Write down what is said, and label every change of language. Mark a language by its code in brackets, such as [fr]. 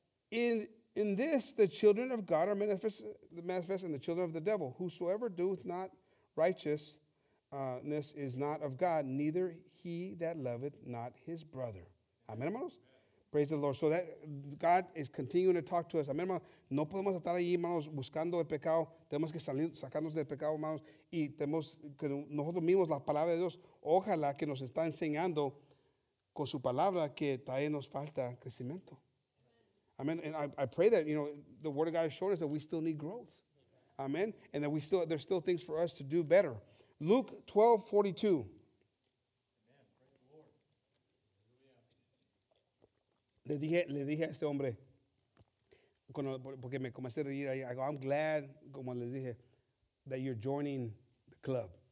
[en] In this, the children of God are manifest and the children of the devil. Whosoever doeth not righteousness is not of God, neither he that loveth not his brother. Amen, hermanos? Praise the Lord. So that God is continuing to talk to us. [es] Amén, hermanos. No podemos estar ahí, hermanos, buscando el pecado. Tenemos que salir, sacarnos del pecado, hermanos. Y tenemos que nosotros mismos, la palabra de Dios, ojalá que nos está enseñando con su palabra que todavía nos falta crecimiento. Amén. [en] And I pray that, you know, the word of God has shown us that we still need growth. Amén. And that there's still things for us to do better. Luke 12:42. [es] Le dije a este hombre, porque me comencé a reír, [en] I go, I'm glad, [es] como les dije, [en] that you're joining the club.